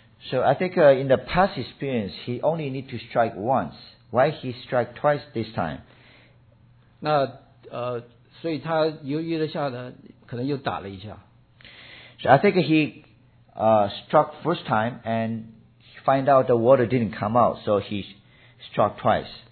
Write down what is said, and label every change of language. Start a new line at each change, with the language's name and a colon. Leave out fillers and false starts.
English: So I think in the past experience, he only need to strike once. Why he strike twice this time?
Chinese: 那所以他犹豫了下呢，可能又打了一下。
English: So I think he struck first time and find out the water didn't come out, so he struck twice.